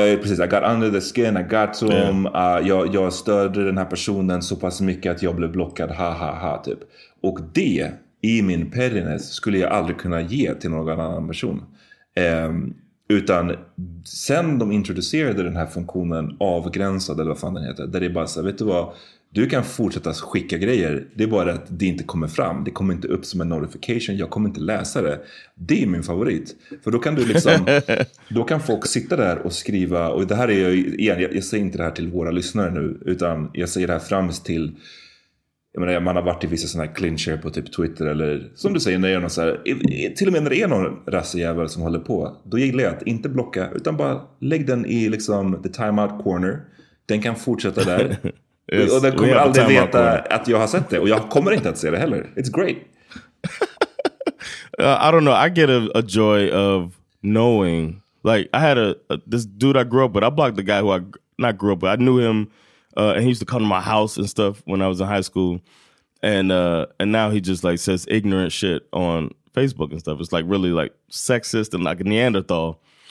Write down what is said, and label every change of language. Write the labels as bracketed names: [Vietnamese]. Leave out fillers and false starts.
[English] Precis, I got under the skin, I got to them. [Swedish] Jag stödde den här personen så pass mycket att jag blev blockad, ha ha ha typ. Och det, i min pettiness, skulle jag aldrig kunna ge till någon annan person. Utan sen de introducerade den här funktionen avgränsad, eller vad fan den heter, där det bara så här, vet du vad, du kan fortsätta skicka grejer. Det är bara att det inte kommer fram. Det kommer inte upp som en notification. Jag kommer inte läsa det. Det är min favorit. För då kan du liksom, då kan folk sitta där och skriva. Och det här är ju, igen, jag säger inte det här till våra lyssnare nu, utan jag säger det här främst till, jag menar, man har varit i vissa sådana här clincher på typ Twitter, eller som du säger, när det är någon så här, till och med när det är någon rassejävel som håller på, då gillar jag att inte blocka, utan bara lägg den i liksom [English] the timeout corner. [Swedish] Den kan fortsätta där. Yes, och den kommer aldrig veta att jag har sett det. Och jag kommer inte att se det heller. [English] It's great. I don't know. I get a joy of knowing. Like, I had this dude I grew up with. I blocked the guy who I, not grew up with, I knew him. And he used to come to my house and stuff when I was in high school. And now he just, like, says ignorant shit on Facebook and stuff. It's, like, really, like, sexist and, like, a Neanderthal.